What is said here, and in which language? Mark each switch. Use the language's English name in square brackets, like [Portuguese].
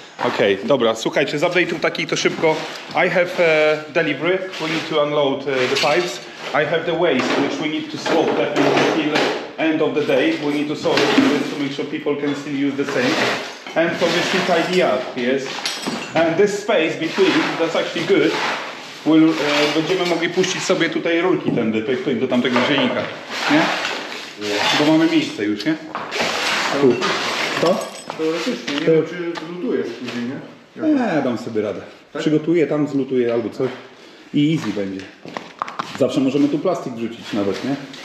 [Polish] Okay, dobra, słuchajcie, z update'u taki to szybko. [English] I have delivery. We need to unload the pipes. I have the waste, which we need to swap definitely till end of the day. We need to solve it to make sure people can still use the same. And for this heat idea, yes. And this space between, that's actually good. [Polish] Będziemy mogli puścić sobie tutaj rurki tędy, do tamtego dziennika, nie? Bo mamy miejsce już, nie? Tu. To? Teoretycznie, nie wiem, czy zlutujesz później, nie? Dam sobie radę. Tak? Przygotuję, tam zlutuję albo coś i easy będzie. Zawsze możemy tu plastik wrzucić nawet, nie?